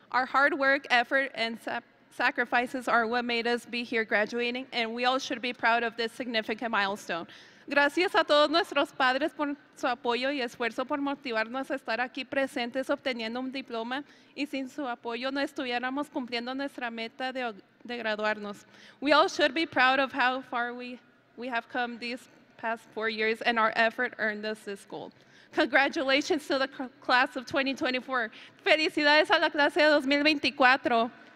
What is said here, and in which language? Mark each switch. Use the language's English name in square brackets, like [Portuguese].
[English] Our hard work, effort, and sacrifices are what made us be here graduating, and we all should be proud of this significant milestone. [Spanish] Gracias a todos nuestros padres por su apoyo y esfuerzo por motivarnos a estar aquí presentes obteniendo un diploma, y sin su apoyo no estuviéramos cumpliendo nuestra meta de graduarnos. [English] We all should be proud of how far we have come these past 4 years, and our effort earned us this goal. Congratulations to the class of 2024. [Spanish] Felicidades a la clase de 2024.